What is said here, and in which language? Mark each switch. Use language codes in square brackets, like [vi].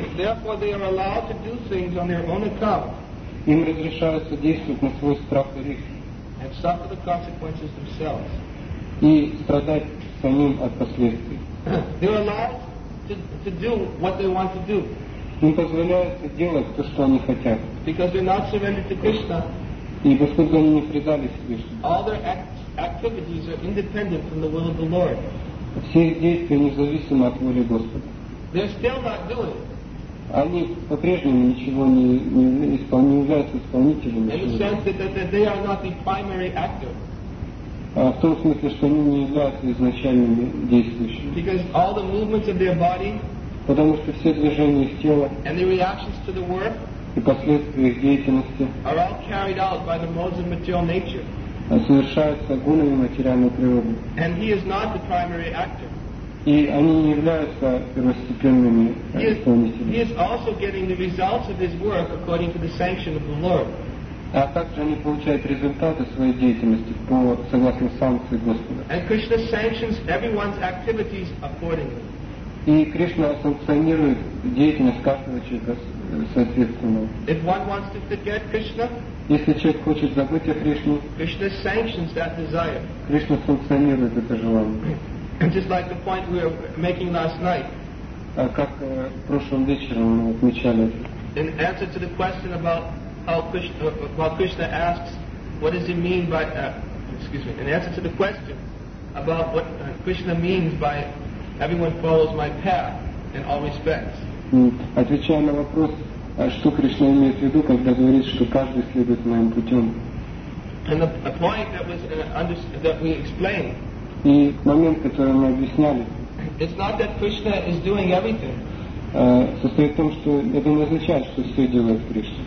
[en] Therefore, they are allowed to do things on their own account. [ru] Им разрешается действовать на свой страх и риск. [en] And suffer the consequences themselves. [ru] И страдать самим от последствий. [en] They are allowed to do what they want to do. [ru] Им позволяется делать то, что они хотят. [en] Because they're not surrendered to Krishna. [ru] И поскольку они не предались Кришне. [en] All their activities are independent from the will of the Lord. [ru] Все их действия независимы от воли Господа. [en] They're still not doing. [ru] Они по-прежнему ничего не являются исполнителями. [en] In the sense that they are not the primary actor. [ru] В том смысле, что они не являются изначальными действующими. [en] Because all the movements of their body, [ru] потому что все движения их тела [en] and the reactions to the work, [ru] и последствия их деятельности [en] are all carried out by the modes of material nature. [ru] Совершаются гунами материальной природы. [en] And he is not the primary actor. [ru] И они не являются первостепенными исполнителями. [en] He is also getting the results of his work according to the sanction of the Lord. [ru] А также они получают результаты своей деятельности по согласно санкции Господа. [en] And Krishna sanctions everyone's activities accordingly. [ru] И Кришна санкционирует деятельность каждого человека соответственно. [en] If one wants to forget Krishna, [ru] если человек хочет забыть о Кришне, [en] Krishna sanctions that desire. [ru] Кришна санкционирует это желание. [en] Just like the point we were making last night. [ru] Как прошлым вечером мы отмечали. [en] In answer to the question about how Krishna, while Krishna asks, what does he mean by, excuse me, in answer to the question about what Krishna means by everyone follows my path in all respects. [ru] Отвечая на вопрос, что Кришна имеет в виду, когда говорит, что каждый следует моим путем. [en] And the point that was that we explained. [ru] И момент, который мы объясняли. [en] It's not that Krishna is doing everything. [ru] Состоит в том, что это не означает, что все делает Кришна.